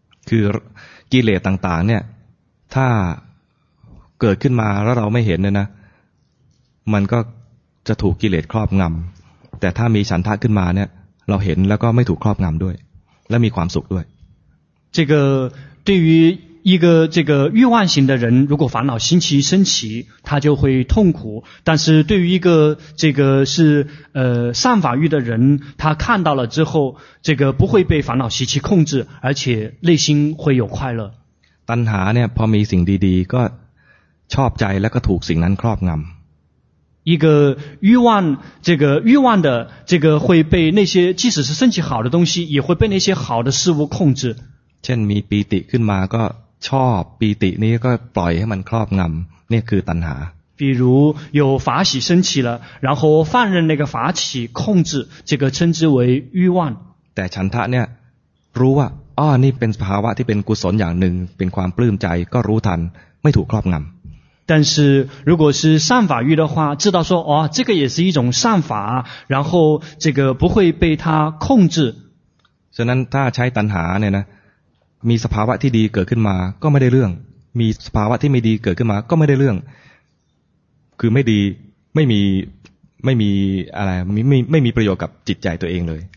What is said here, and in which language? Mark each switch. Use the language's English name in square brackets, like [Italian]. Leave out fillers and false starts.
[Thai] คือกิเลสต่างๆเนี่ยถ้าเกิดขึ้นมาแล้วเราไม่เห็นเนี่ยนะมันก็จะถูกกิเลสครอบงำ แต่ถ้ามีฉันทะขึ้นมาเนี่ยเราเห็นแล้วก็ไม่ถูกครอบงำด้วยและมีความสุขด้วย [Chinese] 这个对于一个这个欲望型的人，如果烦恼心起升起，他就会痛苦。但是对于一个这个是善法欲的人，他看到了之后，这个不会被烦恼习气控制，而且内心会有快乐。 [Thai] ตัณหาเนี่ยพอมีสิ่งดีๆก็ชอบใจและก็ถูกสิ่งนั้นครอบงำ。 [Chinese] 一个欲望，这个欲望的这个会被那些即使是升起好的东西，也会被那些好的事物控制。 [Thai] เช่นมีปีติขึ้นมาก็ชอบปีตินี้ก็ปล่อยให้มันครอบงำนี่คือตัณหา [Chinese] 比如有法喜升起了然后放任那个法喜控制这个称之为欲望 [Thai] แต่ฉันทะเนี่ยรู้ว่าอ้อนี่เป็นภาวะที่เป็นกุศลอย่างหนึ่งเป็นความปลื้มใจก็รู้ทันไม่ถูกครอบงำ [Chinese] 但是如果是善法欲的话知道说哦这个也是一种善法然后这个不会被它控制 [Thai] ฉะนั้นถ้าใช้ตัณหาเนี่ยนะมีสภาวะที่ดีเกิดขึ้นมาก็ไม่ได้เรื่องมีสภาวะที่ไม่ดีเกิดขึ้นมาก็ไม่ได้เรื่องคือไม่ดีไม่มีอะไรไม่มีประโยชน์กับจิตใจตัวเองเลย